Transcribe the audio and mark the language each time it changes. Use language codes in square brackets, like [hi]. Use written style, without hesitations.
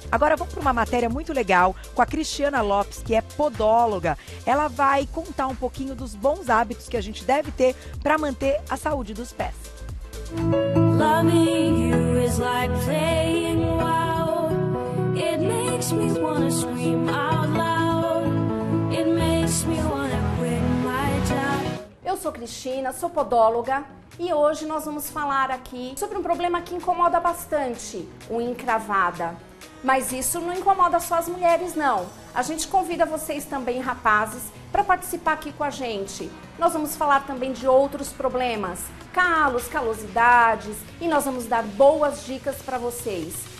[pt] Agora vamos para uma matéria muito legal com a Cristiana Lopes, que é podóloga. Ela vai contar um pouquinho dos bons hábitos que a gente deve ter para manter a saúde dos pés. [en] Loving you is like playing wow. It makes me wanna scream out loud. It makes me wanna quit my job. [pt] Eu sou Cristina, sou podóloga. E hoje nós vamos falar aqui sobre um problema que incomoda bastante, o encravada. Mas isso não incomoda só as mulheres, não. A gente convida vocês também, rapazes, para participar aqui com a gente. Nós vamos falar também de outros problemas, calos, calosidades, e nós vamos dar boas dicas para vocês.